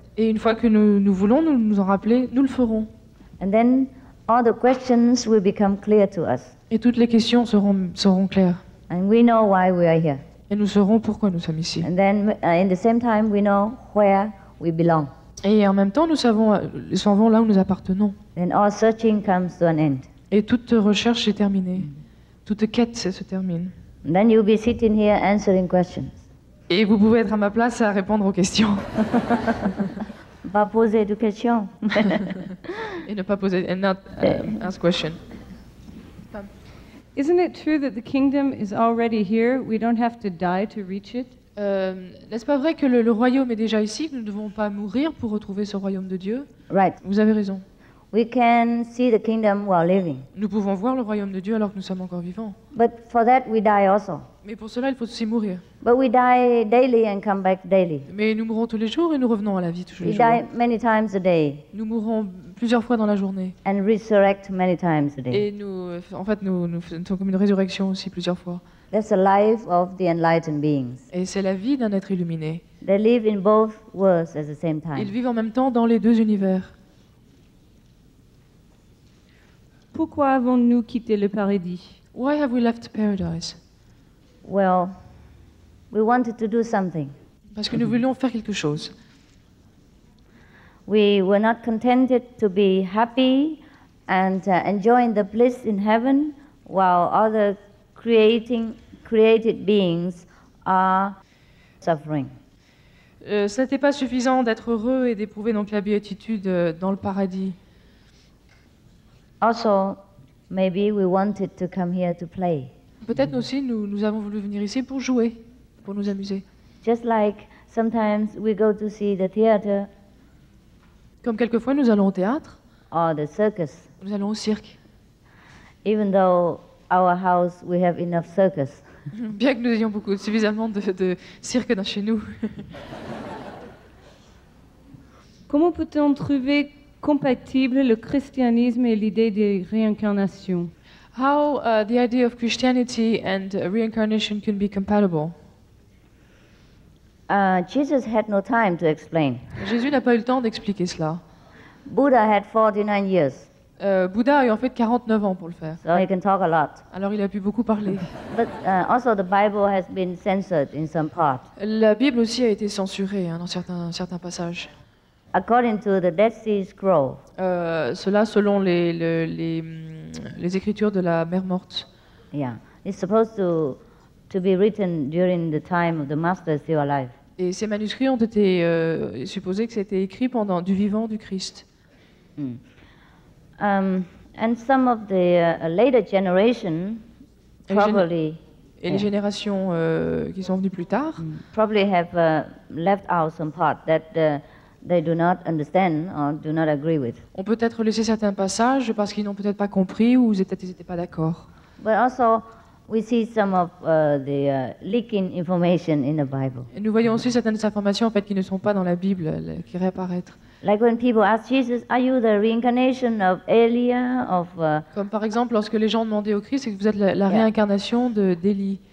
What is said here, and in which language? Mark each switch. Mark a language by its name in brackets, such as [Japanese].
[French] Et une fois que nous voulons nous en rappeler, nous le ferons. [English] And then all the questions will become clear to us. [French] Et toutes les questions seront claires. [English] And we know why we are here. [French] Et nous saurons pourquoi nous sommes ici. [English] And then in the same time we know where we belong. [French] Et en même temps nous savons là où nous appartenons. [English] Then all searching comes to an end. [French] Et toute recherche est terminée. Toute quête se termine. [English] And then you'll be sitting here answering questions. [French] Et vous pouvez être à ma place à répondre aux questions. Pas poser de questions. Et ne pas poser [English] and not ask questions. Isn't it true that the kingdom is already here? We don't have to die to reach it. [French] N'est-ce pas vrai que le royaume est déjà ici? Nous ne devons pas mourir pour retrouver ce royaume de Dieu? [English] Right. [French] Vous avez raison. [English] We can see the kingdom while living. [French] Nous pouvons voir le royaume de Dieu alors que nous sommes encore vivants. [English] But for that we die also. [French] Mais pour cela, il faut aussi mourir. [English] But we die daily and come back daily. [French] Mais nous mourons tous les jours et nous revenons à la vie tous les [English] we [French] jours. [English] Die many times a day. [French] Nous mourons plusieurs fois dans la journée. [English] And resurrect many times a day. [French] Et nous, en fait, nous faisons comme une résurrection aussi plusieurs fois. [English] That's the life of the enlightened beings. [French] Et c'est la vie d'un être illuminé. [English] They live in both worlds at the same time. [French] Ils vivent en même temps dans les deux univers. Pourquoi avons-nous quitté le paradis? [English] Why have we left paradise? Well, we wanted to do something. [French] Parce que nous voulions faire quelque chose. [English] We were not contented to be happy and enjoying the bliss in heaven while other created beings are suffering. [French] Ce n'était pas suffisant d'être heureux et d'éprouver donc la béatitude dans le paradis. [English] Also, maybe we wanted to come here to play. [French] Peut-être aussi nous avons voulu venir ici pour jouer, pour nous amuser. [English] Just like sometimes we go to see the theater. [French] Comme quelquefois nous allons au théâtre. [English] Or the circus. [French] Nous allons au cirque. [English] Even though our house we have enough circus. [French] Bien que nous ayons beaucoup suffisamment de cirque dans chez nous. Comment peut-on trouver compatible le christianisme et l'idée de réincarnation? [English] How the idea of Christianity and reincarnation can be compatible? Jesus had no time to explain. [French] Jésus n'a pas eu le temps d'expliquer cela. [English] Buddha had 49 years. [French] Bouddha a eu en fait 49 ans pour le faire. [English] So he can talk a lot. [French] Alors il a pu beaucoup parler. [English] But also the Bible has been censored in some part. [French] La Bible aussi a été censurée hein, dans certains passages. [English] According to the Dead Sea Scroll. [French] Cela selon les écritures de la Mer Morte. [English] Yeah, it's supposed to be written during the time of the Master still alive. [French] Et ces manuscrits ont été supposés que c'était écrit pendant du vivant du Christ. [English] And some of the later generation probably. [French] Et les générations qui sont venues plus tard. [English] Probably have left out some part that. They do not understand or do not agree with. [French] On peut être laissé certains passages parce qu'ils n'ont peut-être pas compris ou ils n'étaient pas d'accord. [English] But also, we see some of the leaking information in the Bible. [French] Et nous voyons aussi certaines informations en fait qui ne sont pas dans la Bible, qui réapparaissent. [English] Like when people ask Jesus, "Are you the reincarnation of Elia?" Of [French] comme par exemple lorsque les gens demandaient au Christ, "Est-ce que vous êtes la réincarnation d'Élie?"